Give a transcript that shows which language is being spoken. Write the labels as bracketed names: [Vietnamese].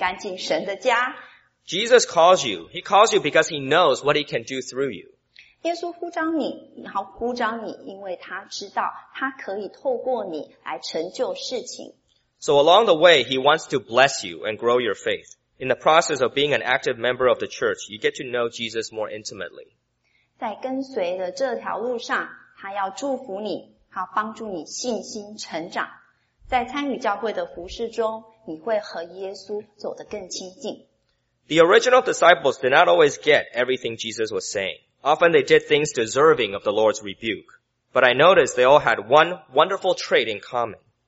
[Chinese] 还有专车接送人，关心新朋友，照顾有需要的人，还有跟弟兄姐妹一起来整理干净神的家。Jesus [English] calls you. He calls you because he knows what he can do through you. [Chinese] 耶稣呼召你，然后呼召你，因为他知道他可以透过你来成就事情。 [English] So along the way, he wants to bless you and grow your faith. In the process of being an active member of the church, you get to know Jesus more intimately. [Chinese] 在跟随的这条路上，他要祝福你，好帮助你信心成长。在参与教会的服事中，你会和耶稣走得更亲近。 [English] The original disciples did not always get everything Jesus was saying. Often they did things deserving of the Lord's rebuke. But I noticed they all had one wonderful trait in common.